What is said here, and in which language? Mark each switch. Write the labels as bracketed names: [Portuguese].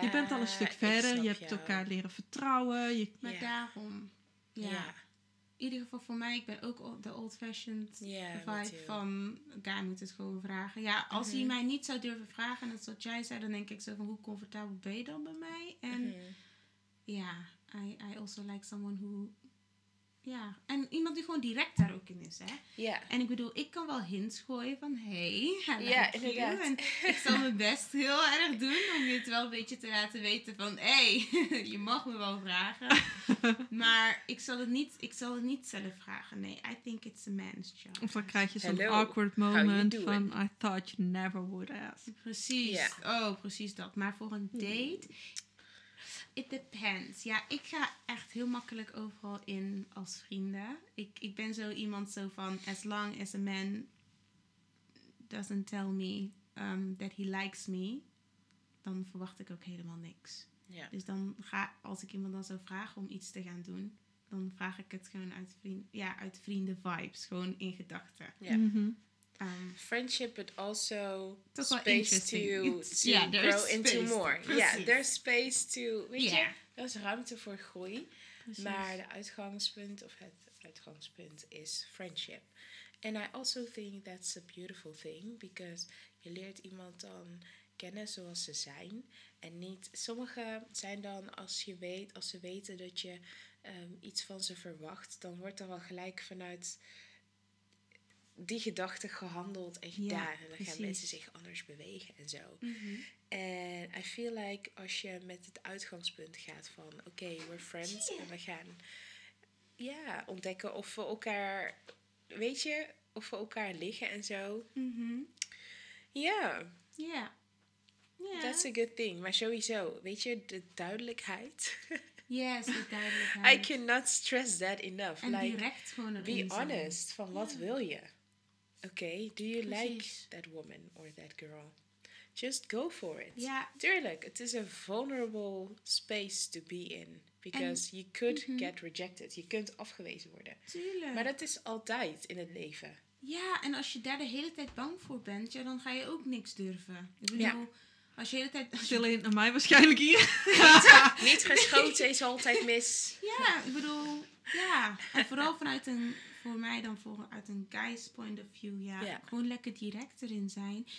[Dutch] je bent al een stuk verder. Je hebt elkaar leren vertrouwen. Maar daarom... Ja. In ieder geval voor mij, ik ben ook de old-fashioned vibe van... Guy moet het gewoon vragen. Ja, als hij mij niet zou durven vragen, net zoals jij zei, dan denk ik zo van, hoe comfortabel ben je dan bij mij? [English] En I also like someone who... [Dutch] Ja, en iemand die gewoon direct daar ook in is, hè? Ja. Yeah. En ik bedoel, ik kan wel hints gooien van, [English] hey, I like you. [Dutch] Inderdaad. En ik zal mijn best heel erg doen om je het wel een beetje te laten weten van, hey, je mag me wel vragen. Maar ik zal het niet zelf vragen. [English] Nee, I think it's a man's job. [Dutch] Of dan krijg je zo'n awkward moment van, [English] I thought you never would ask. [Dutch] Precies. Yeah. Oh, precies dat. Maar voor een date... [English] It depends. [Dutch] Ja, ik ga echt heel makkelijk overal in als vrienden. Ik ben zo iemand zo van, [English] as long as a man doesn't tell me [Dutch] that he likes me, dan verwacht ik ook helemaal niks. Yeah. Dus dan ga, als ik iemand dan zou vragen om iets te gaan doen, dan vraag ik het gewoon uit vrienden, ja, uit vrienden vibes, gewoon in gedachten. Yeah. Mm-hmm. [English] Friendship, but also space to, grow into more. Yeah, there's space to, [Dutch] weet je, dat is ruimte voor groei. Precies. Maar de uitgangspunt, of het uitgangspunt, is friendship. [English] And I also think that's a beautiful thing, because [Dutch] je leert iemand dan kennen zoals ze zijn. En niet, sommigen zijn dan, als je weet, als ze weten dat je iets van ze verwacht, dan wordt er wel gelijk vanuit die gedachte gehandeld en gedaan. Ja, en dan gaan mensen zich anders bewegen en zo. En mm-hmm. [English] I feel like [Dutch] als je met het uitgangspunt gaat van, oké, [English] we're friends [Dutch] en we gaan ontdekken of we elkaar, weet je, of we elkaar liggen en zo. Ja. Mm-hmm. Yeah. [English] That's a good thing. [Dutch] Maar sowieso, weet je, de duidelijkheid. Yes, de duidelijkheid. [English] I cannot stress that enough. [Dutch] En like, direct gewoon erin. [English] Be honest, [Dutch] van wat wil je? [English] Oké, do you like that woman or that girl? Just go for it. [Dutch] Ja. [English] Tuurlijk, it is a vulnerable space to be in. Because en, you could get rejected. [Dutch] Je kunt afgewezen worden. Tuurlijk. Maar dat is altijd in het leven. Ja, en als je daar de hele tijd bang voor bent, ja, dan ga je ook niks durven. Ik bedoel, als je de hele tijd... Alleen naar mij waarschijnlijk hier. Niet geschoten is altijd mis. Ja, ik bedoel, En vooral vanuit een, voor mij dan vanuit een guy's point of view, gewoon lekker direct erin zijn.